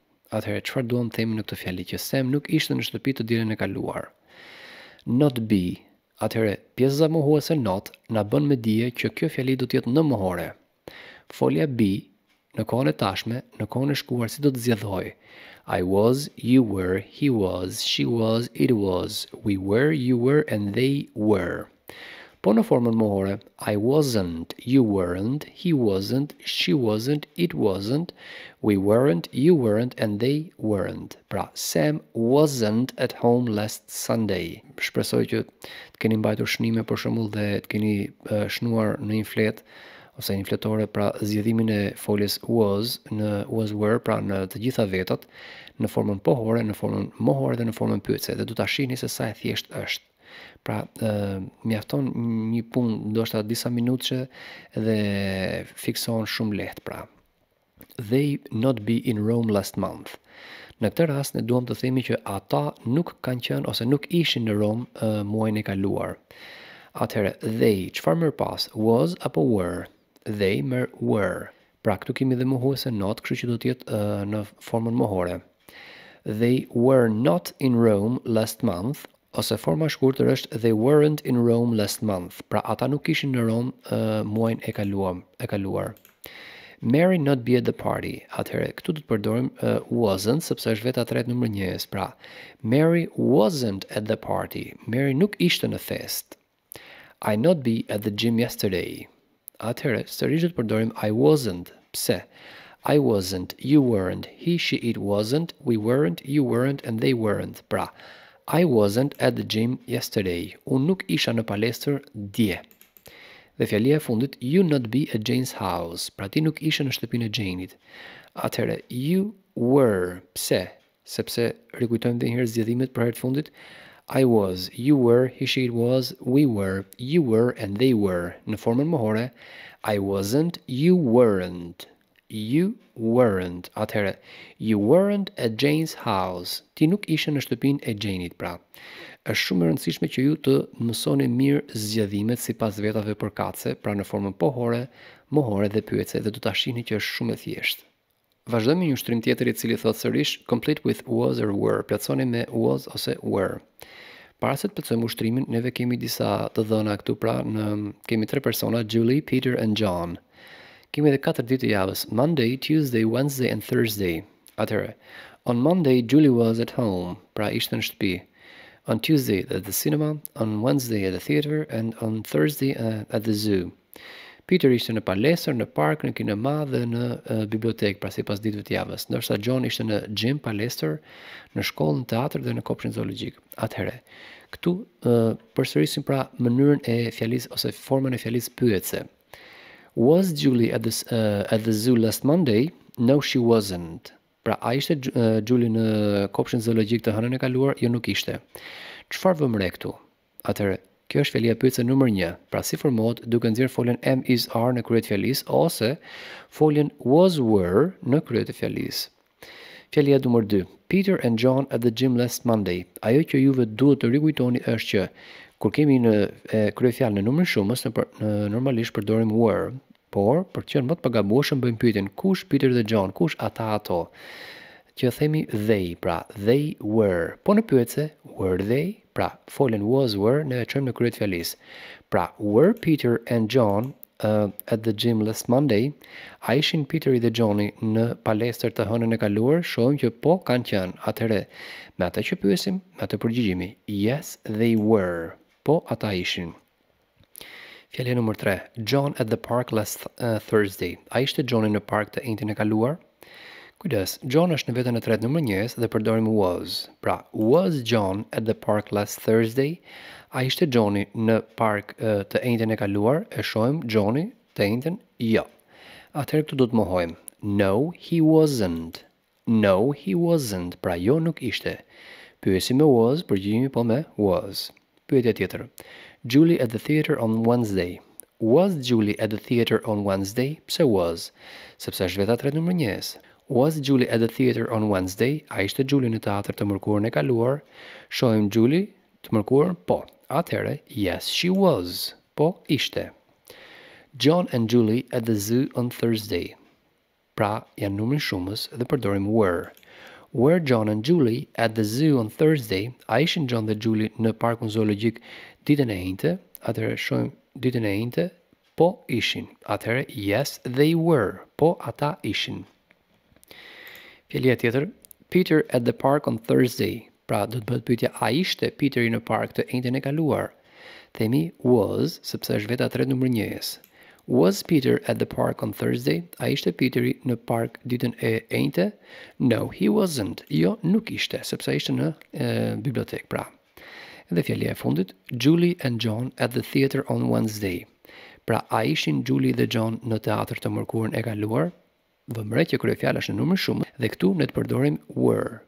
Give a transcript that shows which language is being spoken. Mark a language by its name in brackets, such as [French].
[Albanian] Atëherë çfarë duam të themi në këtë fjali që Sam nuk ishte në shtëpi të ditën e kaluar. [English] Not be. [Albanian] Atëherë pjesa mohuese not na bën me dije që kjo fjali do të jetë në mohore. Folja be, në kohën e tashme, në kohën e shkuar, si do të zgjedhoj? [English] I was, you were, he was, she was, it was, we were, you were, and they were. [Albanian] Po në formën mohore, [English] I wasn't, you weren't, he wasn't, she wasn't, it wasn't, we weren't, you weren't, and they weren't. [Albanian] Pra, [English] Sam wasn't at home last Sunday. [Albanian] Shpresoj që të keni mbajtur shënime për shembull dhe të keni shnuar në një fletë, ose një fletore, pra zgjidhimin e foljes was në was were, pra në të gjitha vetat, në formën pohore, në formën mohore dhe në formën pyetëse, dhe du ta shihni se sa e thjesht është. Pra, mjafton një punë ndoshta disa minutëshe dhe fikson shumë lehtë, pra. [English] They not be in Rome last month. [Albanian] Në këtë rast ne duam të themi që ata nuk kanë qenë ose nuk ishin në Rom muajin e kaluar. Atëherë they, çfarë më pas? Was apo were? [English] They were. [Albanian] Pra këtu kemi dhe mohuese not, kështu që do të jetë në formën mohore. [English] They were not in Rome last month, [Albanian] ose forma e shkurtër është [English] they weren't in Rome last month. [Albanian] Pra ata nuk ishin në Rom muajin e kaluar. [English] Mary not be at the party. [Albanian] Atëherë këtu do të përdorim wasn't, sepse është veta tretë numër njëjës. [English] Pra Mary wasn't at the party. [Albanian] Mary nuk ishte në fest. [English] I not be at the gym yesterday. [Albanian] Atëherë, sërish do të përdorim [English] I wasn't. [Albanian] Pse? [English] I wasn't, you weren't, he, she, it wasn't, we weren't, you weren't, and they weren't. Pra, I wasn't at the gym yesterday. [Albanian] Unë nuk isha në palestër dje. Dhe fjalia e fundit, [English] you not be at Jane's house. [Albanian] Pra, ti nuk isha në shtëpinë e Jane-it. Atëherë, [English] you were. [Albanian] Pse? Sepse, rikujtojmë dhe njëherë zgjedhimet për herë të fundit. [English] I was, you were, he, she, it was, we were, you were, and they were. [Albanian] Në formën mohore, [English] I wasn't, you weren't, you weren't. [Albanian] Atëherë, [English] you weren't at Jane's house. [Albanian] Ti nuk ishe në shtëpinë e Jane-it, pra. Është shumë e rëndësishme që ju të mësoni mirë zgjedhimet sipas vetave përkatëse, pra në formën pohore, mohore dhe pyetëse, dhe do ta shihni që është shumë e thjeshtë. Vazhdojmë një ushtrim tjetër i cili thotë sërish [English] complete with was or were. [Albanian] Plotësoni me was ose were. Para se të plotësojmë ushtrimin, neve kemi disa të dhëna këtu, pra në kemi tre persona, [English] Julie, Peter and John. [Albanian] Kemi edhe katër ditë të javës, [English] Monday, Tuesday, Wednesday and Thursday. Atëherë, on Monday, Julie was at home, [Albanian] pra ishte në shtëpi. [English] On Tuesday, at the cinema, on Wednesday, at the theater, and on Thursday, at the zoo. [Albanian] Peter ishte në palesër, në park, në kinema dhe në bibliotekë, pra sipas ditëve të javës. Ndërsa John ishte në gym, palestër, në shkollë, në teatr dhe në kopshtin zoologjik. Atëherë, këtu përsërisim pra mënyrën e fjalis ose formën e fjalis pyetëse. [English] Was Julie at the zoo last Monday? No, she wasn't. [Albanian] Pra, a ishte Julie në kopshtin zoologjik të hënën e kaluar? Jo, nuk ishte. Çfarë vëmë re këtu? Atëherë, kjo është fjalia pyetëse numër 1. Pra si formohet duke nxjerr foljen am is are në krye të fjalisë ose foljen was were në krye të fjalisë. Fjalia numër 2. [English] Peter and John at the gym last Monday. [Albanian] Ajo që juve duhet të rikujtoni është që kur kemi në krye fjalë në numrin shumës në normalisht përdorim were, por për të qenë më të pagabueshëm bëjmë pyetjen kush Peter dhe John, kush ata ato. Që themi they, pra they were. Po në pyetëse [English] were they? [Albanian] Pra, folën was were ne e çojmë në krye të fjalisë. [English] Pra, were Peter and John at the gym last Monday? [Albanian] A ishin Peteri dhe Johni në palestër të hënën e kaluar? Shohim që po kanë qenë. Atëherë, me atë që pyesim, me atë përgjigjemi. [English] Yes, they were. [Albanian] Po ata ishin. Fjalë numër 3. [English] John at the park last Thursday. [Albanian] A ishte Johni në park të njëjtën e kaluar? Kujdes, John është në vetën e tretë numër njëjës dhe përdorim was. [English] Pra, was John at the park last Thursday? [Albanian] A ishte Johnny në park të njëjtën e kaluar? E shohim Johnny të njëjtën? Jo. Atëherë këtu do të mohojmë. [English] No, he wasn't. No, he wasn't. [Albanian] Pra, jo nuk ishte. Pyesi me was, përgjigjemi po me was. Pyetja tjetër. [English] Julie at the theater on Wednesday. Was Julie at the theater on Wednesday? Pse was? [Albanian] Sepse është vetë tretë numër njëjës. [English] Was Julie at the theater on Wednesday? [Albanian] A ishte Julie në teatr të mërkurën e kaluar? Shohim Julie të mërkurën? Po. Atëherë, [English] yes, she was. [Albanian] Po, ishte. [English] John and Julie at the zoo on Thursday. [Albanian] Pra, janë numrin shumës dhe përdorim were. [English] Were John and Julie at the zoo on Thursday? [Albanian] A ishin John dhe Julie në parkun zoologjik ditën e njëjtë? Atëherë, shohim ditën e njëjtë? Po, ishin. Atëherë, [English] yes, they were. [Albanian] Po, ata ishin. Fjalia tjetër, [English] Peter at the park on Thursday. [Albanian] Pra, do të bëhet pyetja, a ishte Peteri në park të njëjtën e kaluar? Themi was, sepse është vetë tretë numër njëjës. [English] Was Peter at the park on Thursday? [Albanian] A ishte Peteri në park ditën e njëjtë? [English] No, he wasn't. [Albanian] Jo, nuk ishte, sepse ishte në bibliotekë, pra. Dhe fjalia e fundit, [English] Julie and John at the theater on Wednesday. [Albanian] Pra, a ishin Julie dhe John në teatr të mërkurën e kaluar? Vëmë re që kryefjala është në numër shumë dhe këtu ne të përdorim were.